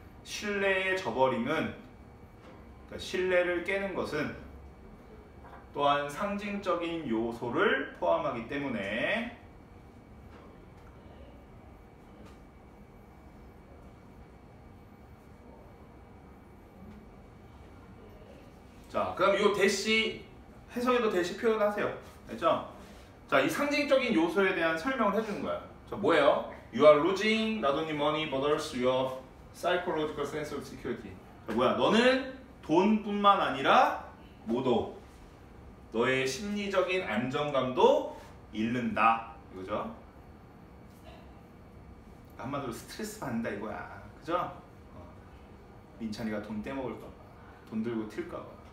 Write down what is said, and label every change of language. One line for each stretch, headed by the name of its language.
Korean: 신뢰의 저버림은 그러니까 신뢰를 깨는 것은 또한 상징적인 요소를 포함하기 때문에 자 그럼 요 대시 해석에도 대시 표현하세요. 알겠죠? 자, 이 상징적인 요소에 대한 설명을 해주는 거야. 자, 뭐예요?
English: You are losing not only money but also your psychological sense of security.
Korean: 자, 뭐야? 너는 돈뿐만 아니라 모두 너의 심리적인 안정감도 잃는다. 이거죠? 한마디로 스트레스 받는다 이거야. 그죠? 민찬이가 돈 떼먹을까 봐. 돈 들고 튈까 봐.